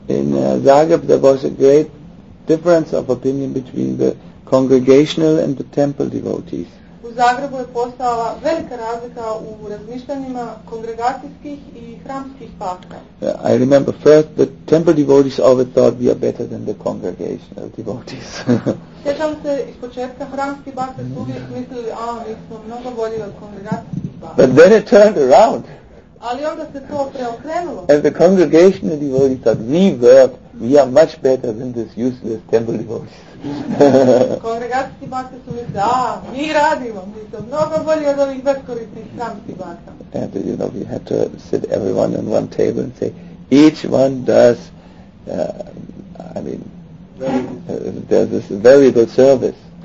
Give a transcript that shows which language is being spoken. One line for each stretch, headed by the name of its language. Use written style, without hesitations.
English: In Zagreb there was a great difference of opinion between the congregational and the temple devotees.
Croatian: U Zagrebu je postala velika razlika u razmišljanjima kongregacijskih i hramskih pakta.
English: I remember first the temple devotees always thought we are better than the congregational devotees.
Croatian: Sjećam se iz početka hramski pakta su uvijek mislili, mi smo mnogo bolji od kongregacijskih pakta.
English: But then it turned around.
Croatian: Ali onda se to preokrenulo.
English: And the congregational devotees thought we are much better than this useless temple devotees.
Croatian: Kongregacijski bakte su misli, mi radimo, mi smo mnogo bolji od ovih beskorisnih hramskih bakta.
English: And you know, we had to sit everyone on one table and say, each one does, there's this very good service.